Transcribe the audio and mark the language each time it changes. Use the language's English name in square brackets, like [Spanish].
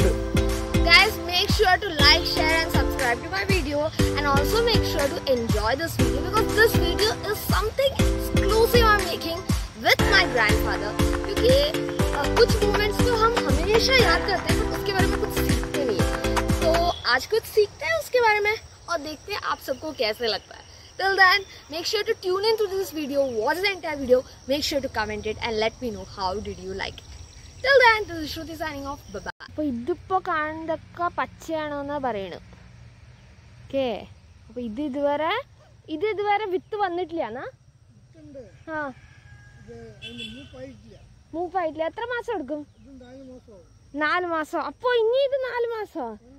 [English] Guys make sure to like share and subscribe to my video and also make sure to enjoy this video because this video is something exclusive I am making with my grandfather. [Hindi] क्योंकि कुछ moments तो हम हमेशा याद करते हैं उसके बारे में कुछ सीखते नहीं है, तो आज कुछ सीखते हैं उसके बारे में और देखते हैं आप सबको कैसे लगता है। [English] Till then, make sure to tune in to this video, watch the entire video, make sure to comment it and let me know how did you like it. Till then, this is Shruti signing off. Bye-bye. [Malayalam] അപ്പോൾ ഇതിപ്പോൾ കാണുന്നതൊക്കെ പച്ചയാണോന്നാ പറയണു. Okay, അപ്പൊ ഇത് ഇതുവരെ വിത്ത് വന്നിട്ടില്ല. ആ മൂപ്പായിട്ടില്ല. എത്ര മാസം എടുക്കും? 4 മാസം. അപ്പൊ ഇനി ഇത് 4 മാസം.